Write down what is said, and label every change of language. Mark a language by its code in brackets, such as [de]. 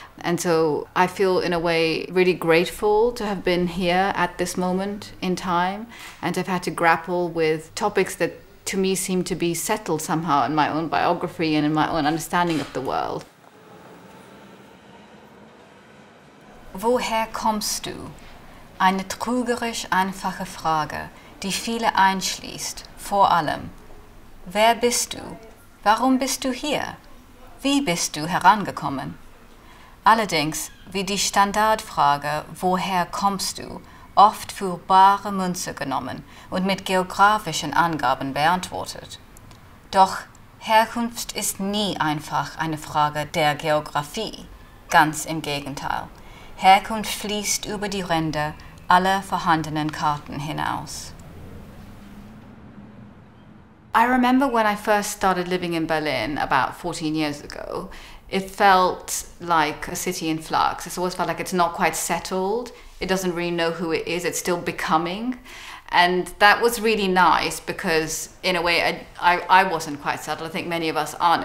[en] And so I feel in a way really grateful to have been here at this moment in time and to have had to grapple with topics that to me seem to be settled somehow in my own biography and in my own understanding of the world. [de] Woher kommst du? Eine trügerisch einfache Frage, die viele einschließt, vor allem. Wer bist du? Warum bist du hier? Wie bist du herangekommen? Allerdings, wie die Standardfrage, woher kommst du, oft für bare Münze genommen und mit geografischen Angaben beantwortet. Doch Herkunft ist nie einfach eine Frage der Geografie, ganz im Gegenteil. Herkunft fließt über die Ränder aller vorhandenen Karten hinaus. [en] I remember when I first started living in Berlin about 14 years ago, it felt like a city in flux. It's always felt like it's not quite settled. It doesn't really know who it is. It's still becoming. And that was really nice because in a way I wasn't quite settled. I think many of us aren't.